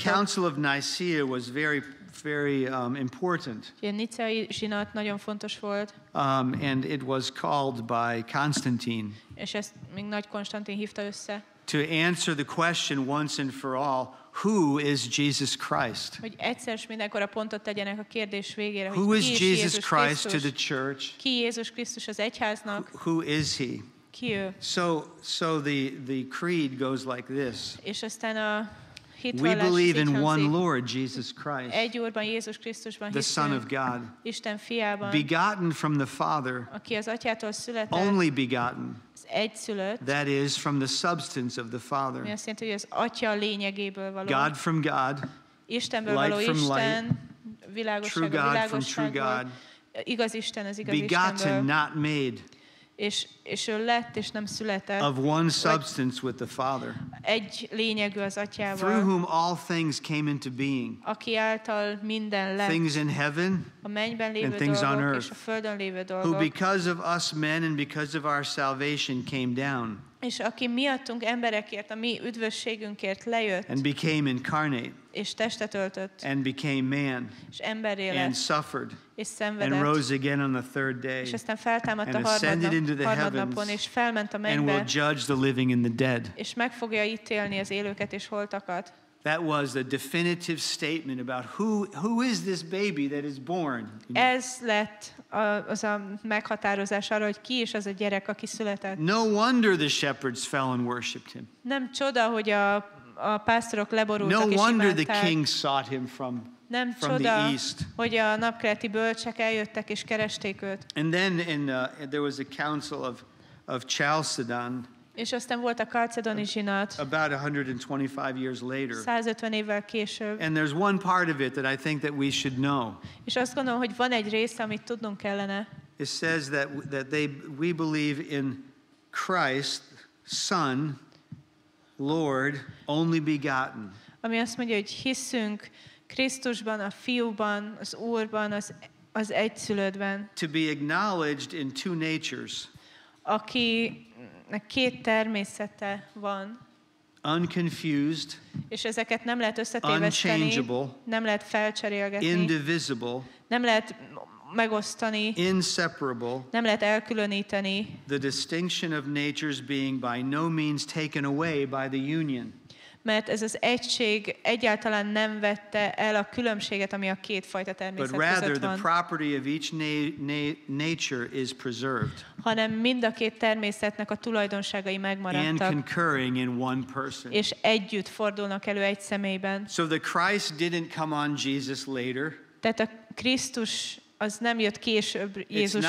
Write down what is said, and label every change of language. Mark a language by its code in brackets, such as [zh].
[en] So the Council of Nicaea was very, very important. [hu] A nicaeai zsinat nagyon fontos volt. [en] And it was called by Constantine. [hu] És ezt még nagy Konstantin hívta össze. [en] To answer the question once and for all, who is Jesus Christ? [hu] Hogy egyszer s mindenkor a pontot tegyenek a kérdés végére. [en] Who is Jesus Christ [hu] Krisztus [en] to the church? [hu] Ki Jézus Krisztus az egyháznak? [en] Who is he? [hu] Ki ő? [en] So the creed goes like this. [hu] És aztán a hitvallás. [en] We believe in one Lord Jesus Christ. [hu] Egy Úrban, Jézus Krisztusban hiszünk. [en] The Son of God. [hu] Isten fiában. [en] Begotten from the Father. [hu] Aki az atyától született. [en] Only begotten. [hu] Egyszülött, [en] that is from the substance of the Father. [hu] Mi azt jelenti, hogy az Atya lényegéből való. [en] God from God. [hu] Istenből való Isten. [en] Light from light. True God from true God. [hu] Igaz Isten az igaz [en] Begotten, [hu] Istenből. [en] Not made. [hu] És ő lett és nem született. [en] Of one substance with the Father. [hu] Egy lényegű az Atyával. [en] Through whom all things came into being. [hu] Aki által minden lett. [en] Things in heaven. [hu] A mennyben lévő [en] and things [hu] dolgok, [en] on earth. [hu] És a földön lévő dolgok. [en] Who because of us men and because of our salvation came down. [hu] És aki miattunk emberekért, a mi üdvösségünkért lejött. [en] And became incarnate. [hu] És testet öltött. [en] And became man. [hu] És emberré lett. [en] And suffered. [hu] És szenvedett. [en] And rose again on the third day. [hu] És aztán feltámadt [en] and [hu] a harmadnap, [en] into the [hu] harmadnapon, és felment a mennybe. [en] And will judge the living and the dead. [hu] És meg fogja ítélni az élőket és holtakat. [en] That was the definitive statement about who is this baby that is born. [hu] Ez lett az a meghatározás arra, hogy ki is az a gyerek, aki született. [en] No wonder the shepherds fell and worshipped him. [hu] Nem csoda, hogy a pásztorok leborultak [en] no [hu] és imádták. [en] No wonder the king sought him from [hu] nem [en] from [hu] csoda, [en] the east. [hu] Hogy a napkeleti bölcsek eljöttek és keresték őt. [en] And then there was a council of Chalcedon. [hu] És aztán volt a Chalcedoni zsinat. [en] About 125 years later. [hu] 150 évvel később. [en] And there's one part of it that I think that we should know. [hu] És azt gondolom, hogy van egy rész, amit tudnunk kellene. [en] It says that we believe in Christ, Son, Lord, only begotten. [hu] Ami azt mondja, hogy hiszünk Krisztusban, a fiúban, az Úrban, az egyszülődben. [en] To be acknowledged in two natures. [hu] Aki két természete van. [en] Unconfused. [hu] És ezeket nem lehet összetéveszteni. Nem lehet felcserélgetni. [en] Indivisible. [hu] Nem lehet megosztani. [en] Inseparable. [hu] Nem lehet elkülöníteni. [en] The distinction of natures being by no means taken away by the union. [hu] Mert ez az egység egyáltalán nem vette el a különbséget, ami a két fajta természet [en] but [hu] között van. [en] But rather the property of each nature is preserved. [hu] Hanem mind a két természetnek a tulajdonságai megmaradtak. [en] And concurring in one person. [hu] És együtt fordulnak elő egy személyben. [en] So the Christ didn't come on Jesus later. [hu] Tehát a Krisztus az nem jött később Jézusra.